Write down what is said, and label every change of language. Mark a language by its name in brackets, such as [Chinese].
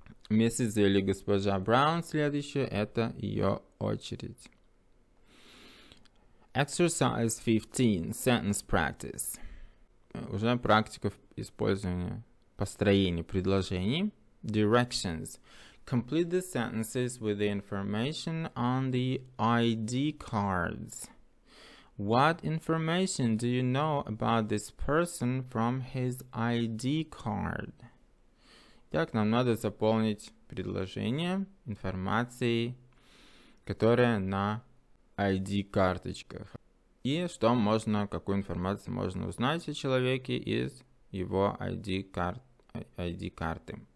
[Russian] или госпожа Браун следующая, это ее очередь. [English] Exercise 15. Sentence practice. [Russian] Уже практика использования построения предложений. [English] Directions. Complete the sentences with the information on the ID cards. What information do you know about this person from his ID card? [Russian] Итак, нам надо заполнить предложение информацией, которая на ID карточках. И что можно, какую информацию можно узнать о человеке из его ID карты.